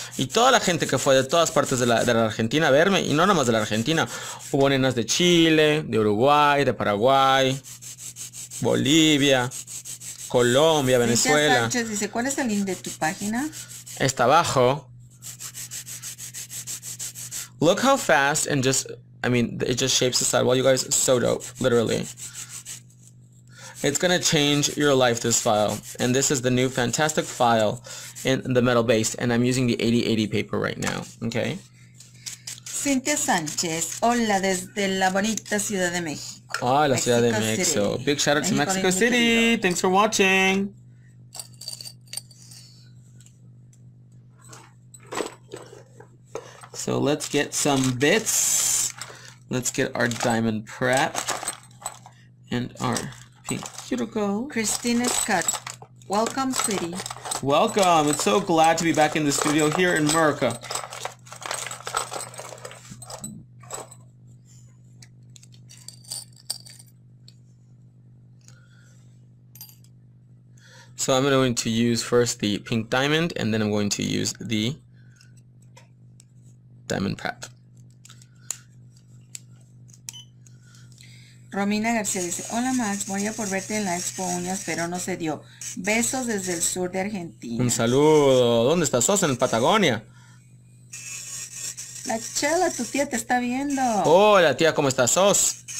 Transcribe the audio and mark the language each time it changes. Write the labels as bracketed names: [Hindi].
[Spanish] Y toda la gente que fue de todas partes de la Argentina a verme, y no nomás de la Argentina. Hubo nenas de Chile, de Uruguay, de Paraguay, Bolivia, Colombia, Venezuela. Cintia Sánchez dice, ¿cuál es el link de tu página? Está abajo. [English] Look how fast and just, I mean, it just shapes the side. Well, you guys, so dope, literally. It's gonna change your life, this file. And this is the new fantastic file in the metal base. And I'm using the 8080 paper right now, okay? [Spanish] Cintia Sánchez, hola desde la bonita Ciudad de México. [English] Ah, la Ciudad de México. Big shout out to Mexico City. Thanks for watching. So let's get some bits. Let's get our diamond prep and our pink cuticle. Christine Scott, welcome, sweetie. Welcome. It's so glad to be back in the studio here in America. So I'm going to use first the pink diamond, and then I'm going to use the diamond prep. [Spanish] Romina García dice, hola Max, voy a por verte en la Expo Uñas, pero no se dio. Besos desde el sur de Argentina. Un saludo. ¿Dónde estás? ¿Sos en Patagonia? La Chela, tu tía te está viendo. Hola tía, ¿cómo estás? ¿Sos?